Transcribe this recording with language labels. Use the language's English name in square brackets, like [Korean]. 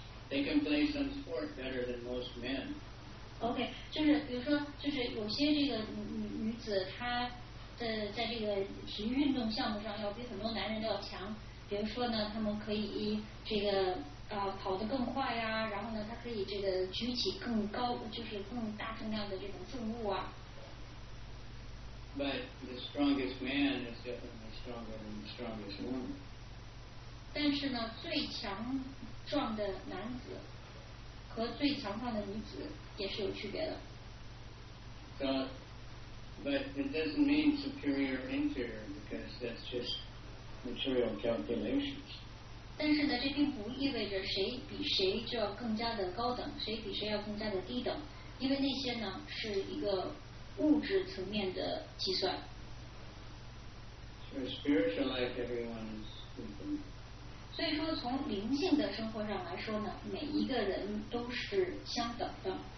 [English] They can play some sport better than most men. [Chinese] OK， 就是比如说，就是有些这个女子，她的在这个体育运动项目上要比很多男人都要强。比如说呢，他们可以这个跑得更快呀，然后呢，她可以这个举起更高，就是更大重量的这种重物啊。 [English] But the strongest man is definitely stronger than the strongest woman. [Chinese] 但是呢，最强壮的男子。和最强悍的女子也是有区别的。 [English] So, but it doesn't mean superior or inferior because that's just material calculations. [Chinese] 但是呢，这并不意味着谁比谁就要更加的高等，谁比谁要更加的低等，因为那些呢是一个物质层面的计算。 [English] So spiritual life, everyone is different. [Chinese] 所以说从灵性的生活上来说呢，每一个人都是相等的。